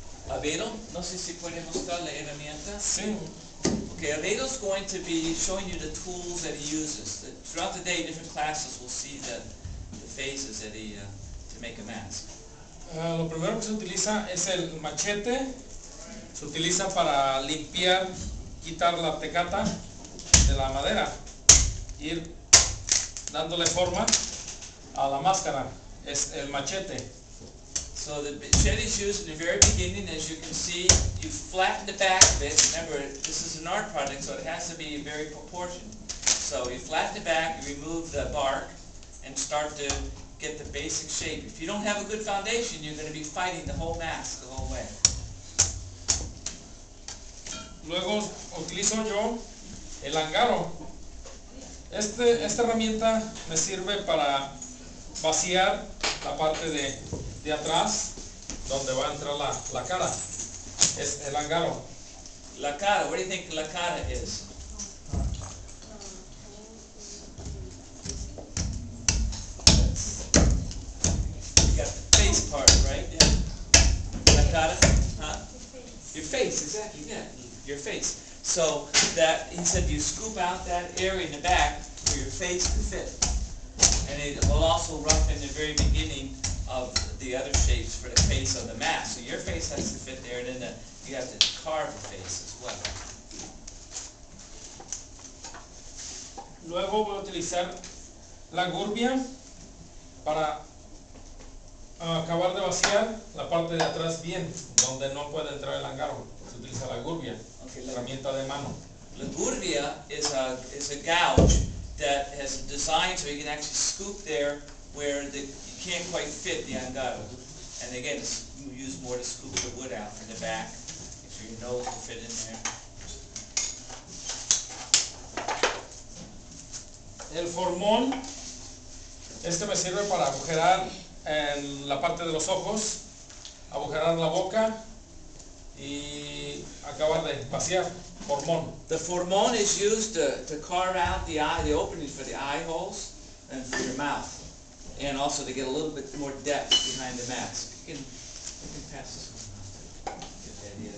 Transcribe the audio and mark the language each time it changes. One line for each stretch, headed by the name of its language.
Spanish: Abeiro, no sé si puede mostrar la herramienta. Sí.
English: Okay, Abeiro's going to be showing you the tools that he uses. Throughout the day, different classes will see the phases that he to make a mask.
Spanish: Lo primero que se utiliza es el machete. Se utiliza para limpiar, quitar la tecata de la madera, ir dándole forma a la máscara. Es el machete.
English: So the machete is used in the very beginning, as you can see, you flatten the back of it. Remember, this is an art project, so it has to be very proportioned. So you flatten the back, you remove the bark, and start to get the basic shape. If you don't have a good foundation, you're going to be fighting the whole mask the whole way.
Spanish: Luego utilizo yo el angaro. Esta herramienta me sirve para vaciar la parte de atrás, donde va a entrar la cara. Es el angaro. La cara,
English: what do you think
Spanish: la cara
English: is? You got the face part, right? Yeah.
Spanish: La cara,
English: huh? Your face, exactly, yeah, your face. So that, he said you scoop out that area in the back for your face to fit. And it will also roughen the very beginning of the other shapes for the face of the mask. So your face has to fit there, and then you have to carve the face as well.
Spanish: Luego voy a utilizar la gurbia para acabar de vaciar la parte de atrás bien, donde no puede entrar el angaro. Se utiliza la gurbia, okay, herramienta de mano.
English: La gurbia is a gouge that has a design so you can actually scoop there where the can't quite fit the angaro, and again, it's used more to scoop the wood out from the back, make sure your nose will fit in there.
Spanish: El formón, este me sirve para agujerar en la parte de los ojos, agujerar la boca, y acabar de vaciar formón.
English: The formón is used to carve out the eye, the openings for the eye holes, and for your mouth. And also to get a little bit more depth behind the mask. You can pass this one off to get the idea.